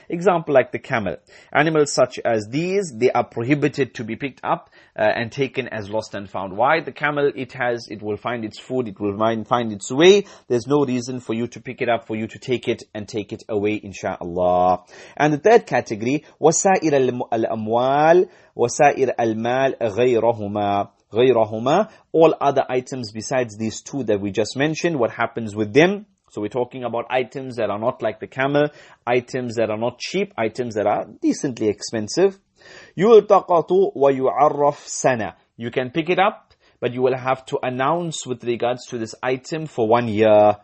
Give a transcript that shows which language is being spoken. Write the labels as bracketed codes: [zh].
[en] Example like the camel. Animals such as these, they are prohibited to be picked up and taken as lost and found. Why? The camel, it will find its food, it will find its way. There's no reason for you to pick it up, for you to take it and take it away, insha'Allah. And the third category, [ar] وسائر الأموال وسائر المال غيرهما. غيرهما, [en] all other items besides these two that we just mentioned, what happens with them? So we're talking about items that are not like the camel, items that are not cheap, items that are decently expensive. [ar] يُلْتَقَطُ وَيُعَرَّفْ سَنَى. [en] You can pick it up, but you will have to announce with regards to this item for 1 year.